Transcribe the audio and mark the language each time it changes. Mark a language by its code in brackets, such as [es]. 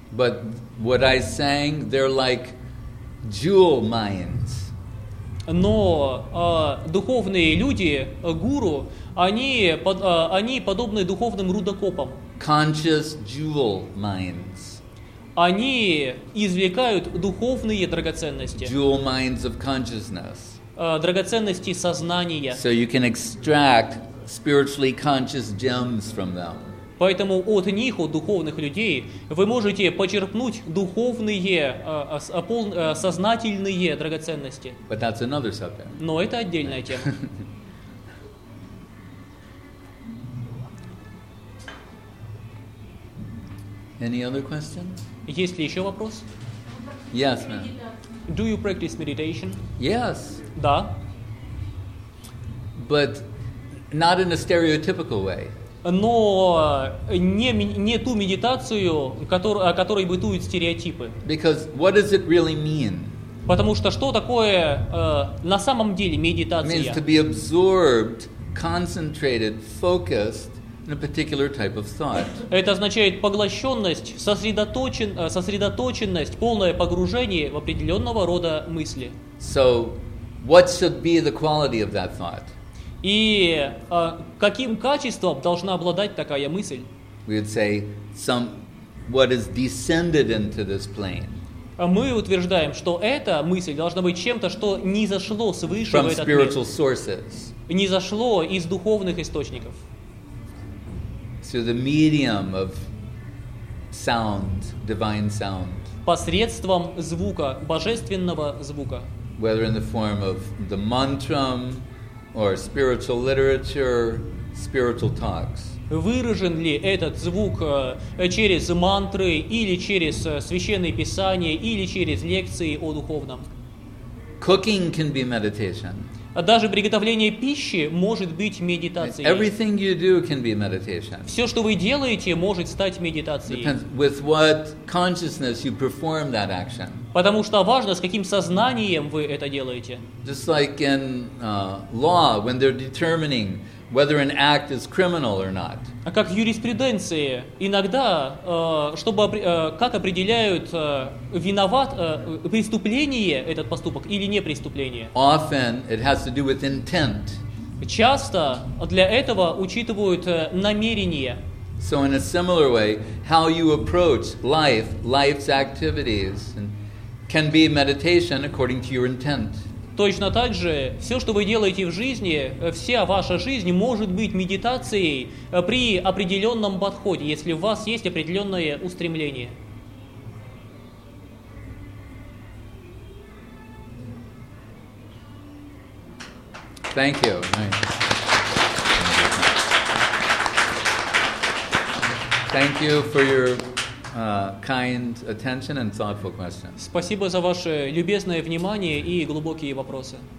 [en] But what I sang, they're like jewel mines. [ru] Но духовные люди, гуру, они подобны духовным рудокопам. [en] Conscious jewel mines. [ru] Они извлекают духовные драгоценности. [en] Dual minds of consciousness. [ru] драгоценности сознания. [en] So you can extract spiritually conscious gems from them. [ru] Поэтому от них, от духовных людей, вы можете почерпнуть духовные, сознательные драгоценности. [en] But that's another subject. [ru] Но это отдельная тема. [en] Any other question? [ru] Есть ли еще вопрос? [en] Yes, ma'am. Do you practice meditation? Yes. [ru] Да. [en] But not in a stereotypical way. [ru] Но не ту медитацию, которой бытуют стереотипы. [en] Because what does it really mean? [ru] Потому что что такое на самом деле медитация? [en] Means to be absorbed, concentrated, focused in a particular type of thought. [ru] Это означает поглощенность, сосредоточенность, полное погружение в определенного рода мысли. [en] So what should be the quality of that thought? [ru] И каким качеством должна обладать такая мысль? [en] We would say some what is descended into this plane. [ru] Мы утверждаем, что эта мысль должна быть чем-то, что не зашло свыше [en] from [ru] в этот мир. [en] Spiritual sources. [ru] Не зашло из духовных источников. [en] Through the medium of sound, divine sound. [ru] Посредством звука, божественного звука. [en] Whether in the form of the mantram. Or spiritual literature, spiritual talks. [ru] Выражен ли этот звук через мантры или через священные писания или через лекции о духовном? [en] Cooking can be meditation. [ru] Даже приготовление пищи может быть медитацией. [en] Everything you do can be meditation. [ru] Все, что вы делаете, может стать медитацией. [en] Depends with what consciousness you perform that action. [ru] Потому что важно, с каким сознанием вы это делаете. [en] Just like in law, when they're determining whether an act is criminal or not. [ru] Как в юриспруденции иногда, чтобы как определяют виноват преступление этот поступок или не преступление. [en] Often it has to do with intent. [ru] Часто для этого учитывают намерение. [en] So in a similar way, how you approach life, life's activities, can be meditation according to your intent. [ru] Точно так же, все, что вы делаете в жизни, вся ваша жизнь может быть медитацией при определенном подходе, если у вас есть определенное устремление. [en] Thank you. Thank you for your kind attention and thoughtful questions. [ru] Спасибо за ваше любезное внимание и глубокие вопросы.